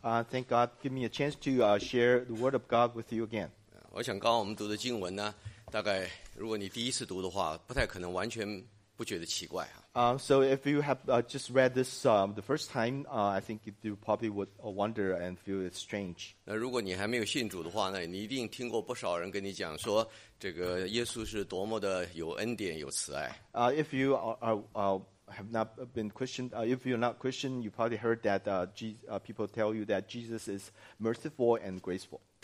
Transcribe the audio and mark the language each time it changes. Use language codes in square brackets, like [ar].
[en] Thank God, give me a chance to share the word of God with you again. [zh] 我想刚刚我们读的经文呢, 大概如果你第一次读的话, 不太可能完全不觉得奇怪啊。 [en] So if you have just read this the first time, I think you probably would wonder and feel it strange. [zh] 如果你还没有信主的话呢，你一定听过不少人跟你讲说，这个耶稣是多么的有恩典有慈爱。 [en] If you have not been Christian, if you're not Christian, you probably heard that people tell you that Jesus is merciful and graceful.